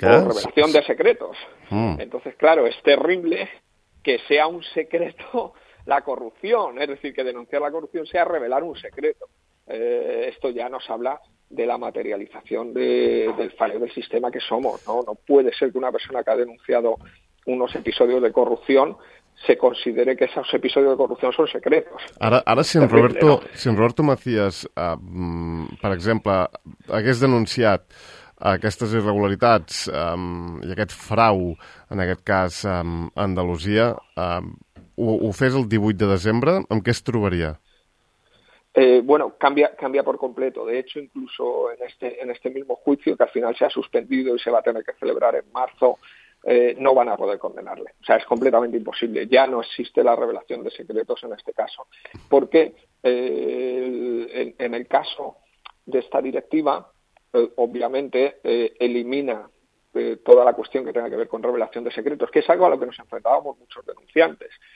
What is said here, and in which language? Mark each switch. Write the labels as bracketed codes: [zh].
[es] revelación de secretos. Uh-huh. Entonces, claro, es terrible que sea un secreto la corrupción, es decir, que denunciar la corrupción sea revelar un secreto. Esto ya nos habla de la materialización del fallo del sistema que somos, ¿no? No puede ser que una persona que ha denunciado unos episodios de corrupción se considere que esos episodios de corrupción son secretos. [ca] Ara si, en Roberto, ¿no? Si en Roberto Macías, per exemple, hagués denunciat aquestes irregularitats i aquest frau, en aquest cas a Andalusia, ho fes el 18 de desembre, amb què es trobaria? [es] Bueno, cambia por completo. De hecho, incluso en este mismo juicio, que al final se ha suspendido y se va a tener que celebrar en marzo, no van a poder condenarle. O sea, es completamente imposible. Ya no existe la revelación de secretos en este caso. Porque en el caso de esta directiva, obviamente, elimina toda la cuestión que tenga que ver con revelación de secretos, que es algo a lo que nos enfrentábamos muchos denunciantes.